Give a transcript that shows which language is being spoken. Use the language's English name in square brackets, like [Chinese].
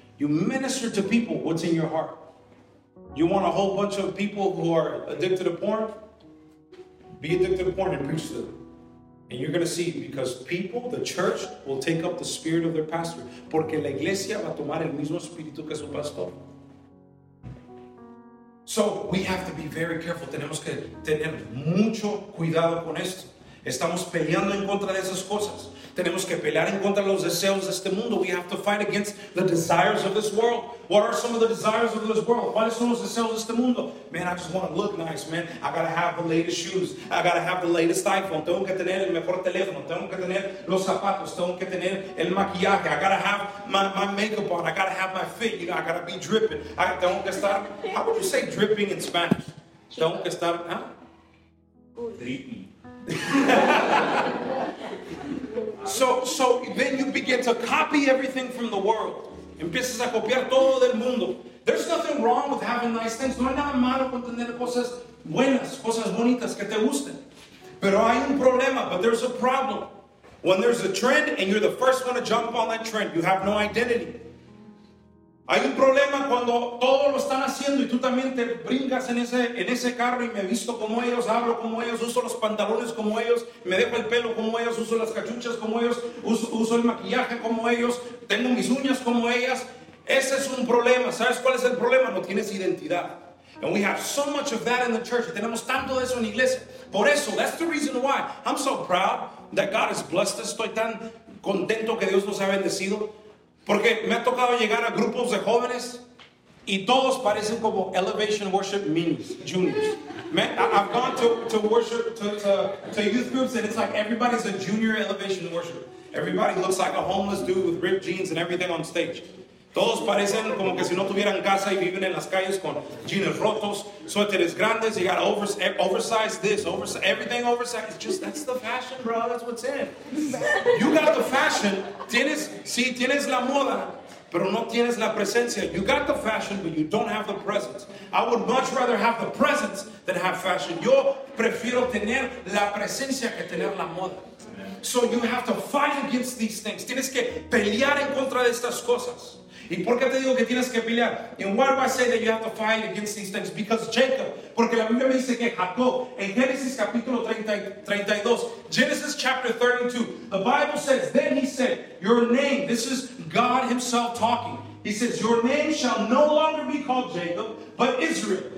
[English] You minister to people what's in your heart. You want a whole bunch of people who are addicted to porn? Be addicted to porn and preach to them. And you're going to see, because people, the church, will take up the spirit of their pastor. [Spanish] Porque la iglesia va a tomar el mismo espíritu que su pastor. [English] So we have to be very careful. [Spanish] Tenemos que tener mucho cuidado con esto. Estamos peleando en contra de esas cosas. Tenemos que pelear en contra de los deseos de este mundo. [English] We have to fight against the desires of this world. What are some of the desires of this world? [Spanish] ¿Cuáles son los deseos de este mundo? [English] Man, I just want to look nice, man. I gotta have the latest shoes. I gotta have the latest iPhone. [Spanish] Tengo que tener el mejor teléfono. Tengo que tener los zapatos. Tengo que tener el maquillaje. [English] I gotta have my makeup on. I gotta have my fit. You know, I gotta be dripping. I [Spanish] tengo que estar. [English] How would you say dripping in Spanish? [Spanish] Tengo que estar. [English] Huh? Dripping. So then you begin to copy everything from the world. [Spanish] Empiezas a copiar todo del mundo. [English] There's nothing wrong with having nice things. [Spanish] No hay nada malo con tener cosas buenas, cosas bonitas que te gusten. Pero hay un problema. [English] But there's a problem when there's a trend and you're the first one to jump on that trend. You have no identity. [Spanish] Hay un problema cuando todos lo están haciendo y tú también te brincas en ese carro y me visto como ellos, hablo como ellos, uso los pantalones como ellos, me dejo el pelo como ellos, uso las cachuchas como ellos, uso el maquillaje como ellos, tengo mis uñas como ellas. Ese es un problema. ¿Sabes cuál es el problema? No tienes identidad. [English] And we have so much of that in the church. [Spanish] Tenemos tanto de eso en la iglesia. Por eso, [English] that's the reason why I'm so proud that God has blessed us. [Spanish] Estoy tan contento que Dios nos ha bendecido. Porque me ha tocado llegar a grupos de jóvenes y todos parecen como Elevation Worship minis, juniors. [English] I've gone to worship, to youth groups, and it's like everybody's a junior Elevation Worship. Everybody looks like a homeless dude with ripped jeans and everything on stage. [Spanish] Todos parecen como que si no tuvieran casa y viven en las calles con jeans rotos, suéteres grandes. [English] You got oversized this, oversized, everything oversized. It's just, that's the fashion, bro. That's what's in. You got the fashion. [Spanish] Tienes, sí, tienes la moda, pero no tienes la presencia. [English] You got the fashion, but you don't have the presence. I would much rather have the presence than have fashion. [Spanish] Yo prefiero tener la presencia que tener la moda. [English] So you have to fight against these things. [Spanish] Tienes que pelear en contra de estas cosas. ¿Y por qué te digo que tienes que pelear? [English] And why do I say that you have to fight against these things? Because Jacob, [Spanish] porque la Biblia me dice que Jacob, en Genesis capítulo 32, [English] Genesis chapter 32, the Bible says, then he said, your name, this is God himself talking. He says, your name shall no longer be called Jacob, but Israel.